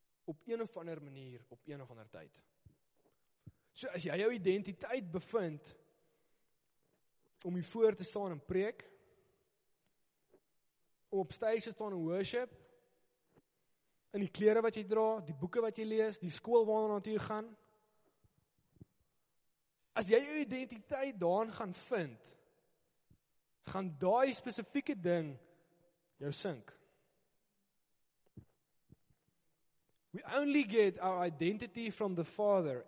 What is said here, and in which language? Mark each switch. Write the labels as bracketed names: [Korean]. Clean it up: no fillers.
[Afrikaans] Op een of ander manier, op een of ander tyd. So as jy jou identiteit bevind, om hier voor te staan en preek, om op stage te staan en worship, in die klere wat jy dra, die boeke wat jy lees, die skool waarna toe jy gaan, as jy jou identiteit daarin gaan vind, gaan daai spesifieke ding jou sink. [English] We only get our identity from the Father.